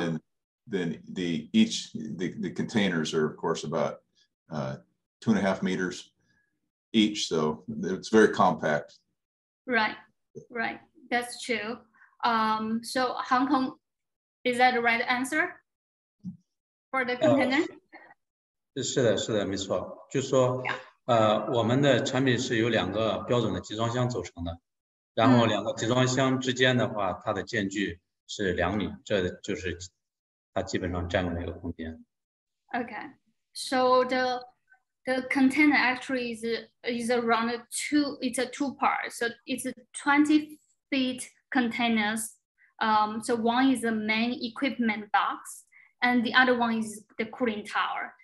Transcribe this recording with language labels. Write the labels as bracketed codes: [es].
[en] And then the containers are, of course, about 2.5 meters each. So it's very compact. Right, right. That's true. So Hong Kong, is that the right answer for the container? [zh] 是的，是的，没错。就说我们的产品是由两个标准的集装箱组成的。然后两个集装箱之间的话它的间距是2米这就是它基本上占了那个空间。 [en] Okay, so the container actually is around it's a two part, so it's a 20 feet containers. So one is the main equipment box and the other one is the cooling tower.